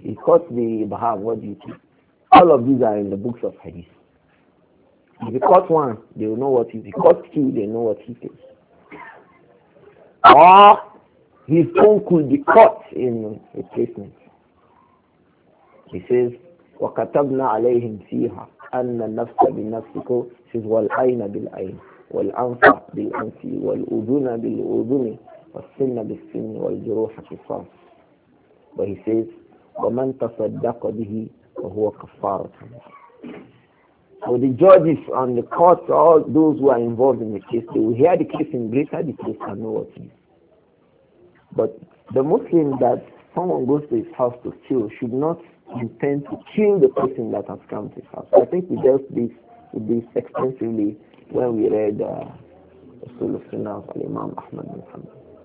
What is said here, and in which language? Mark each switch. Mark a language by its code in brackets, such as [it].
[en] You cut the baham, what do you pay? All of these are in the books of Hadith. If you cut one, they will know what he pays. If you cut two, they know what he pays. Or his own could be cut in replacement. He says, [ar] وَكَتَبْنَا عَلَيْهِمْ فِيهَا أَنَّ النَّفْسَ بِالنَّفْسِكُ. He says, وَالْعَيْنَ بِالْعَيْنِ. والأنف بالأنف والأذن بالأذن والسن بالسن والجروح قصاص. [en] But he says, [ar] وَمَنْ تَصَدَّقَ بِهِ فَهُوَ كَفَّارَةٌ. [en] So the judges and the courts, all those who are involved in the case, they will hear the case in greater detail and know what to do. But the Muslim that someone goes to his house to kill should not intend to kill the person that has come to his house. So I think we dealt with this extensively when we read the Usul al-Sunnah of Imam Ahmad bin Hanbal.